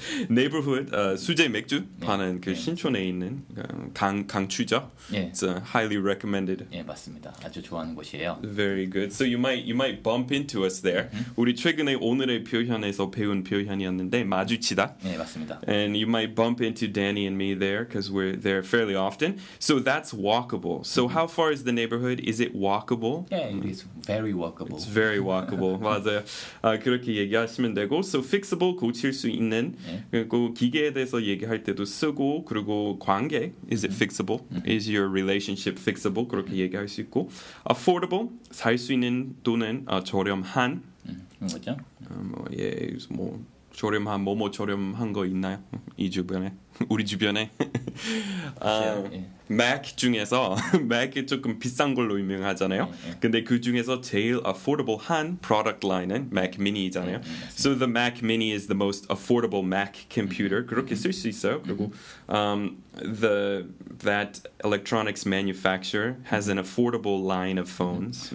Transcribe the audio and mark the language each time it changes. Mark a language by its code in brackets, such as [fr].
[ko] neighborhood 수제 맥주 파는 그 신촌에 있는 강추죠. [en] It's highly recommended. [ko] 예 맞습니다. 아주 좋아하는 곳이에요. [en] Very good. So you might bump into us there. [ko] 우리 최근에 오늘의 표현에서 배운 표현이었는데 마주치다. 예 맞습니다. [en] And you might bump into Danny and me there because we're there fairly often. So that's walkable. So how far is the neighborhood? Is it walkable? Yeah, it is very walkable. It's very walkable. [ko] 맞아요. 그렇게 얘기. 얘기하시면 되고 so fixable 고칠 수 있는 네. 그리고 기계에 대해서 얘기할 때도 쓰고 그리고 관계 [en] is it fixable? Is your relationship fixable? [ko] 그렇게 얘기할 수 있고 affordable 살 수 있는 돈은 저렴한 뭐죠? 뭐 예, 뭐 저렴한 뭐뭐 저렴한 거 있나요? 이 주변에 우리 주변에 맥 중에서 맥이 조금 비싼 걸로 유명하잖아요. 근데 그 중에서 제일 affordable 한 product line은 맥 미니잖아요. [en] So the Mac Mini is the most affordable Mac computer. [ko] 그렇게 쓸 수 있어요. [en] 그리고 the that electronics manufacturer has an affordable line of phones.